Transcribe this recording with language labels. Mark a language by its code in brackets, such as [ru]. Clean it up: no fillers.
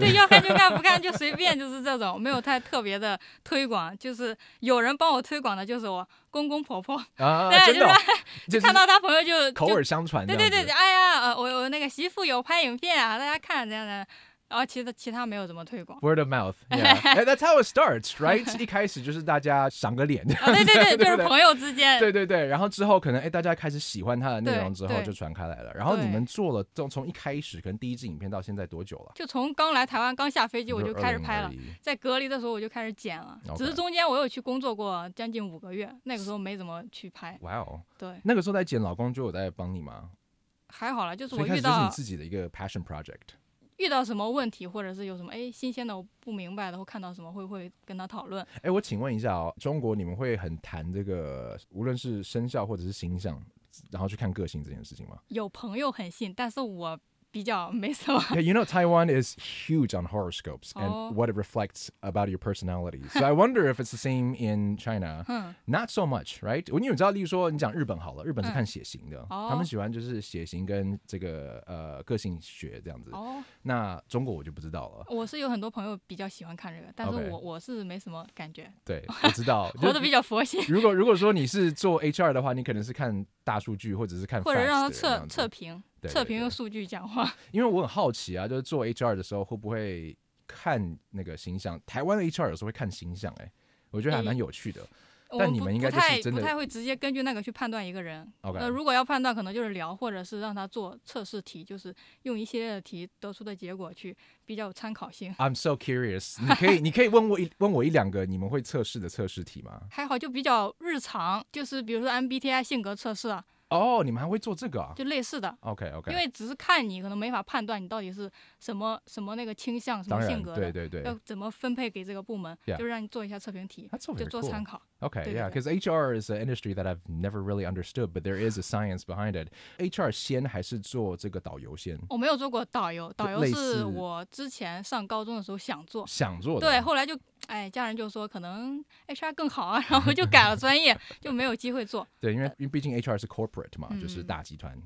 [zh] 对，要看就看，不看就随便，就是这种，没有太特别的推广，就是有人帮我推广的就是我公公婆婆啊，对，真的、哦、就是看到他朋友 就口耳相传。对对对，哎呀、我那个媳妇有拍影片啊，大家看这样的，然后其他没有怎么推广。 [en] Word of mouth， yeah， that's how it starts， right？ [zh] 一开始就是大家赏个脸、啊，对对 对，对，对，就是朋友之间。对对对，然后之后可能大家开始喜欢他的内容之后就传开来了。然后你们做了从一开始可能第一支影片到现在多久了？就从刚来台湾刚下飞机我就开始拍了，在隔离的时候我就开始剪了， [en] okay。 [zh] 只是中间我有去工作过将近五个月，那个时候没怎么去拍。哇、wow、对，那个时候在剪，老公就有在帮你吗？还好了，就是我遇到，所以开始就是你自己的一个 [en] passion project， [zh] 遇到什么问题或者是有什么新鲜的我不明白的或看到什么会跟他讨论。我请问一下、哦、中国你们会很谈这个无论是生肖或者是星象然后去看个性这件事情吗？有朋友很信，但是我比较没什么。 [en] Yeah, you know Taiwan is huge on horoscopes and what it reflects about your personality. So I wonder if it's the same in China. Not so much, right? [zh] 因为你知道例如说你讲日本好了，日本是看血型的，他们喜欢就是血型跟这个个性学这样子。那中国我就不知道了。我是有很多朋友比较喜欢看这个，但是我是没什么感觉。对，我知道，活得比较佛系。如果说你是做 HR 的话，你可能是看大数据或者是看 facts 的，或者让他测评。对对对，测评用数据讲话。因为我很好奇啊，就是做 HR 的时候会不会看那个星象？台湾的 HR 有时候会看星象，我觉得还蛮有趣的。但你们应该就是真的不太会直接根据那个去判断一个人。 [en] Okay。 [zh] 如果要判断，可能就是聊，或者是让他做测试题，就是用一系列的题得出的结果去比较有参考性。 [en] I'm so curious， [zh] 你可以问我一两个你们会测试的测试题吗？还好，就比较日常，就是比如说 MBTI 性格测试啊。你们还会做这个啊？就类似的。 [en] OK， [zh] 因为只是看你可能没法判断你到底是什么那个倾向，什么性格的，对对对，要怎么分配给这个部门。 [en] Yeah。 [zh] 就让你做一下测评题。 [en] That's so very [zh] 就做参考。 [en] Cool。 OK， yeah， because HR is an industry that I've never really understood， but there is a science behind it。 [zh] HR 先还是做这个导游先？我没有做过导游是我之前上高中的时候想做的。对，后来就家人就说可能 HR 更好啊，然后就改了专业，就没有机会做。对，因为毕竟 HR 是 corporate 嘛，就是大集团，